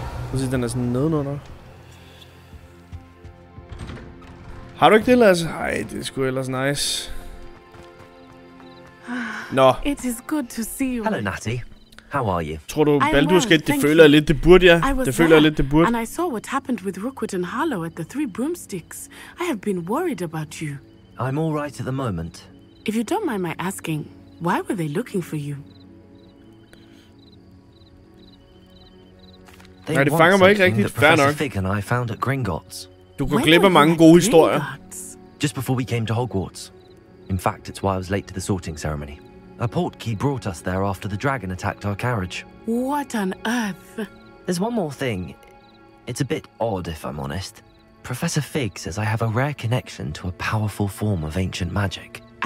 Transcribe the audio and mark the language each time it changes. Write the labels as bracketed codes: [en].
[da] Prøv at se, den er sådan nedenunder. Har du ikke det, Lasse? Ej, det er sgu ellers nice. Nå. [en] It is good to see you. Hello, Natty. How are you? [da] Tror du Baldurskate, det føler jeg lidt, det burde, ja. Det føler jeg lidt, det burde. [en] And I saw what happened with Rookwood and Harlow at the Three Broomsticks. I have been worried about you. I'm all right at the moment. If you don't mind my asking, why were they looking for you? [da] They nej, de fanger mig ikke rigtigt. Fair nok. [en] Fig and I found at Gringotts. [da] Du kan glip af mange gode historier. [en] Just before we came to Hogwarts. In fact, it's why I was late to the sorting ceremony. A portkey brought us there after the dragon attacked our carriage. What on earth? There's one more thing. It's a bit odd, if I'm honest. Professor Fig says I have a rare connection to a powerful form of ancient magic.